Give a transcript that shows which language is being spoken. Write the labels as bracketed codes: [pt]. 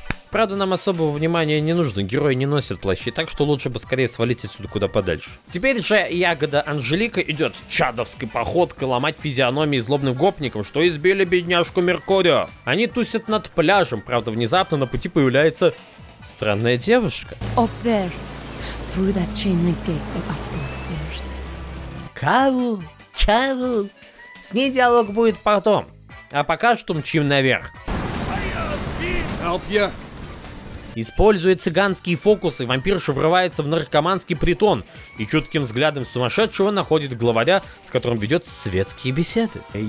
[ru] Правда, нам особого внимания не нужно, герои не носят плащи, так что лучше бы скорее свалить отсюда куда подальше. Теперь же ягода Анжелика идет чадовской походкой ломать физиономии злобным гопникам, что избили бедняжку Меркурио. Они тусят над пляжем, правда, внезапно на пути появляется странная девушка. [en] Up there, through that chain link gate and up those stairs. Каву, чаву. [ru] С ней диалог будет потом, а пока что мчим наверх. [en] Help you. [ru] Используя цыганские фокусы, вампирша врывается в наркоманский притон и чутким взглядом сумасшедшего находит главаря, с которым ведет светские беседы.